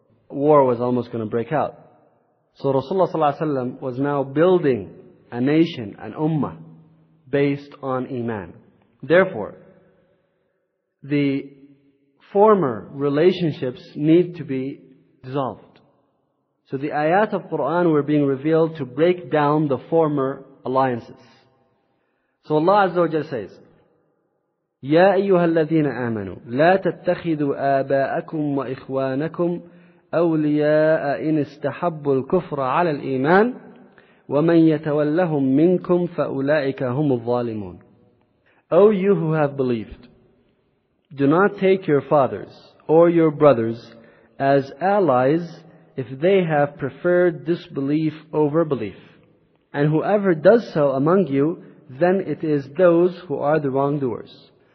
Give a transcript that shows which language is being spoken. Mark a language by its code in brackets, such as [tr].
[en] War was almost going to break out. So Rasulullah ﷺ was now building a nation, an ummah, based on iman. Therefore, the former relationships need to be dissolved. So the ayat of Qur'an were being revealed to break down the former alliances. So Allah Azza wa Jal says, [ar] يَا أَيُّهَا الَّذِينَ آمَنُوا لَا تَتَّخِذُوا آبَاءَكُمْ وَإِخْوَانَكُمْ أَوْلِيَاءَ إِنِ اسْتَحَبُّوا الْكُفْرَ عَلَى الْإِيمَانِ وَمَنْ يَتَوَلَّهُمْ مِنْكُمْ فَأُولَٰئِكَ هُمُ الظَّالِمُونَ. [en] O you who have believed, do not take your fathers or your brothers as allies if they have preferred disbelief over belief. And whoever does so among you, then it is those who are the wrongdoers.